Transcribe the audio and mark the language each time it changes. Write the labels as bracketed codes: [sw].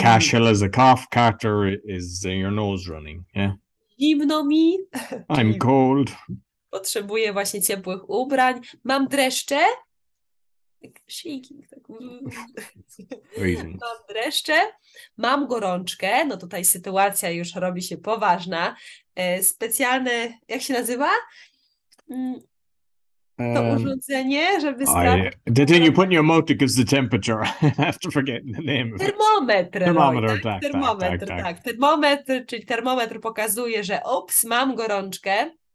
[en] Kaszel is a cough, katar is your nose running, yeah? [pl] Zimno mi. [en] I'm cold. [pl] Potrzebuję właśnie ciepłych ubrań. Mam dreszcze. Shaking. Mam dreszcze. Mam gorączkę. No tutaj sytuacja już robi się poważna. Specjalne, jak się nazywa? To urządzenie, żeby sprawdzić. [en] Then you put in your mouth to give the temperature. I have to forget the name of it. [pl] Termometr. Termometr, czyli termometr pokazuje, że ups, mam gorączkę.